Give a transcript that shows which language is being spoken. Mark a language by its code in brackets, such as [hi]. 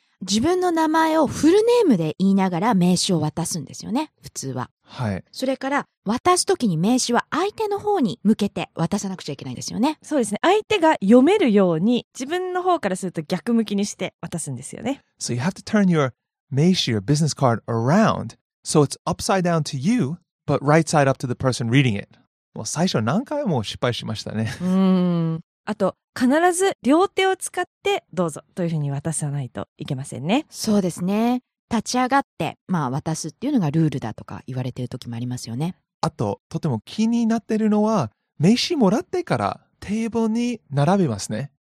[ja] 自分の名前をフルネームで言いながら名刺を渡すんですよね、普通は。はい。それから渡すときに名刺は相手の方に向けて渡さなくちゃいけないですよね。そうですね。相手が読めるように自分の方からすると逆向きにして渡すんですよね。 [en] So you have to turn your 名刺 or business card around so it's upside down to you but right side up to the person reading it. [ja] もう最初何回も失敗しましたね。あと必ず両手を使ってどうぞというふうに渡さないといけませんね。そうですね。立ち上がって、まあ、渡すっていうのがルールだとか言われてる時もありますよね。あととても気になってるのは名刺もらってからテーブルに並べますね。